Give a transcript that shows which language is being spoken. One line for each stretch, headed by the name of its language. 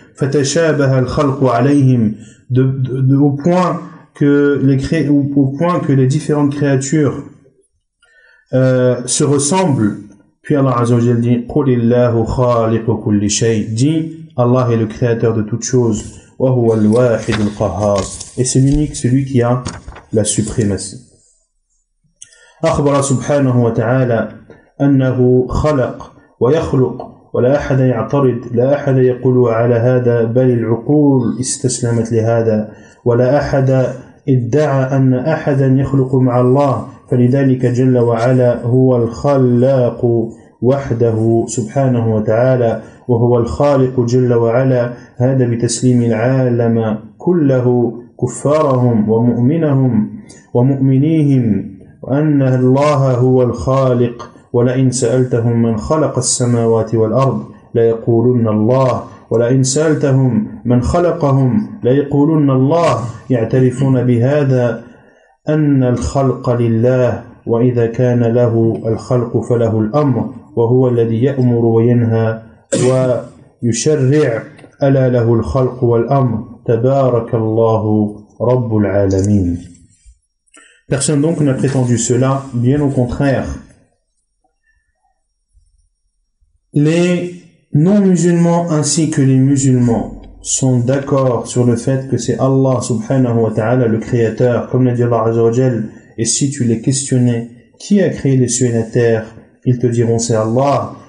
Arabic: فَتَشَابَهَ الْخَلْقُ عَلَيْهِمْ,
French: au point que les différentes créatures se ressemblent. Puis Allah Azza wa Jalla dit:
Arabic: قُلِ اللَّهُ خَالِقُ كُلِّ شَيْءٍ,
French: dit Allah est le créateur de toutes choses.
Arabic: وَهُوَ الْوَاحِدُ الْقَهَارُ,
French: et c'est l'unique, celui qui a la suprématie.
Arabic: أَخْبَرَ سُبْحَانَهُ وَتَعَالَى أَنَّهُ خَلَقَ وَيَخْلُقُ ولا أحد يعترض لا أحد يقول على هذا بل العقول استسلمت لهذا ولا أحد ادعى أن أحدا يخلق مع الله فلذلك جل وعلا هو الخلاق وحده سبحانه وتعالى، وهو الخالق جل وعلا. هذا بتسليم العالم كله، كفارهم ومؤمنهم ومؤمنيهم، وأن الله هو الخالق. ولئن سألتهم من خلق السماوات والأرض ليقولن الله، ولئن سألتهم من خلقهم ليقولن الله، يعترفون بهذا أن الخلق لله، وإذا كان له الخلق فله الأمر، وهو الذي يأمر وينهى ويشرع، ألا له الخلق والأمر، تبارك الله رب العالمين.
French: Personne donc n'a prétendu cela, bien au contraire. Les non-musulmans ainsi que les musulmans sont d'accord sur le fait que c'est Allah subhanahu wa ta'ala le créateur, comme l'a dit Allah azza wa jal, et si tu les questionnais, qui a créé les cieux et la terre, ils te diront c'est Allah.